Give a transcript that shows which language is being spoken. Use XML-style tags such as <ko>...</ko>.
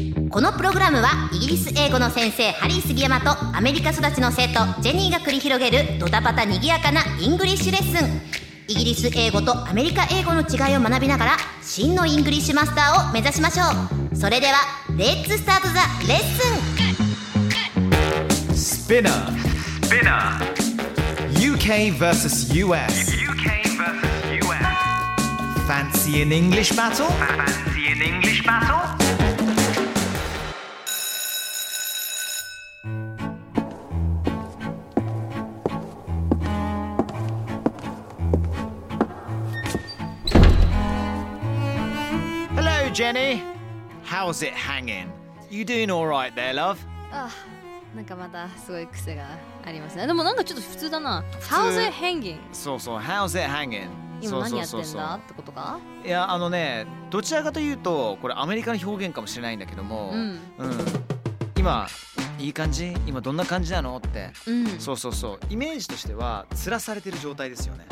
<ja>このプログラムはイギリス英語の先生ハリー杉山とアメリカ育ちの生徒ジェニーが繰り広げるドタパタにぎやかなイングリッシュレッスン。イギリス英語とアメリカ英語の違いを学びながら真のイングリッシュマスターを目指しましょう。それではレッツスタートザレッスン。</ja> <en>Spinner Spinner UK versus USFancy an English battle? Fancy an English battle? Hello, Jenny. How's it hanging? You doing all right there, love?</en> <ja>なんかまたすごい癖がありますね。でもなんかちょっと普通だな。</ja> <en>How's it hanging?</en> <ja>そうそう。</ja> <en>How's it hanging?</en> <ja>今何やってんだ。そうそうそうそう、ってことか。いや、あのね、どちらかというとこれアメリカの表現かもしれないんだけども、今いい感じ、今どんな感じなのって、そうそうそう、イメージとしては吊らされてる状態ですよね。</ja>